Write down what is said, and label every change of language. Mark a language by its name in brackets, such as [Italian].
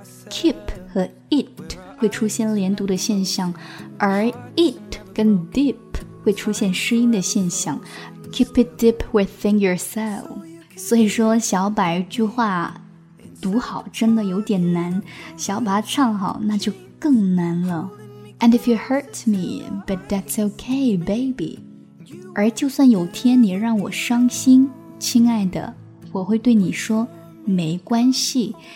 [Chinese] Keep 和 it 会出现连读的现象，而 it 跟 deep 会出现失音的现象。 [English] Keep it deep within yourself. [Chinese] 所以说，想要把一句话读好真的有点难，想要把它唱好那就更难了。 [English] And if you hurt me, but that's okay, baby. [Chinese] 而就算有天你让我伤心，亲爱的，我会对你说没关系。